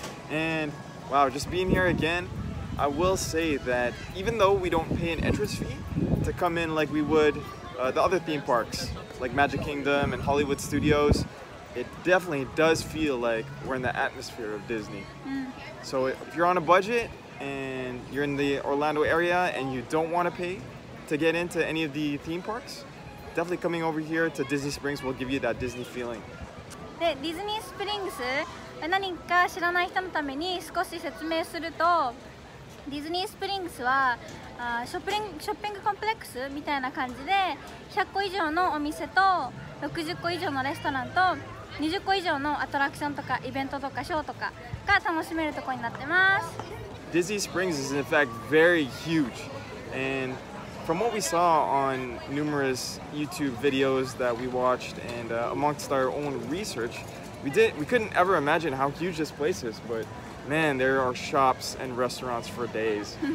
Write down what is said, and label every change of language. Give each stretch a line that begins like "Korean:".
English: And wow, just being here again, I will say that even though we don't pay an entrance fee to come in like we would the other theme parks, like Magic Kingdom and Hollywood Studios, it definitely does feel like we're in the atmosphere of Disney. So if you're on a budget and you're in the Orlando area and you don't want to pay to get into any of the theme parks, definitely coming over here to Disney Springs will give you that Disney feeling.
Japanese: で、ディズニースプリングス、何か知らない人のために少し説明すると、ディズニースプリングスはショッピングコンプレックスみたいな感じで、100個以上のお店と60個以上のレストランと20個以上のアトラクションとかイベントとかショーとかが楽しめるところになってます。
English: Disney Springs is in fact very huge and... From what we saw on numerous YouTube videos that we watched and amongst our own research, we couldn't ever imagine how huge this place is, but man, there are shops and restaurants for days.